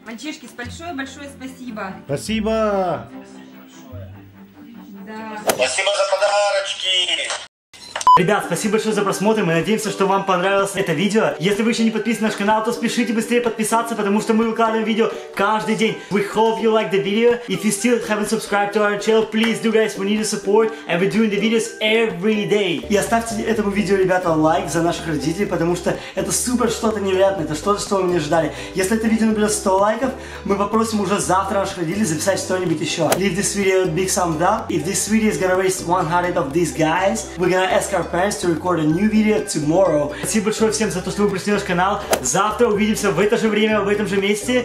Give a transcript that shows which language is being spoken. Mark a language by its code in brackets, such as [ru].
[ru] Мальчишки, большое-большое спасибо. Спасибо. Спасибо большое. Да. Спасибо за подарочки. Ребят, спасибо большое за просмотр, мы надеемся, что вам понравилось это видео. Если вы еще не подписаны на наш канал, то спешите быстрее подписаться, потому что мы выкладываем видео каждый день. [en] We hope you like the video. If you still haven't subscribed to our channel, please do, guys, we need your support, and we're doing the videos every day. [ru] И оставьте этому видео, ребята, лайк за наших родителей, потому что это супер что-то невероятное, это что-то, что вы не ожидали. Если это видео наберет 100 лайков, мы попросим уже завтра наших родителей записать что-нибудь еще. [en] Leave this video a big thumbs up. If this video is gonna raise 100 of these guys, we're gonna ask our parents to record a new video tomorrow. [ru] Спасибо большое всем за то, что вы пришли на наш канал. Завтра увидимся в это же время, в этом же месте.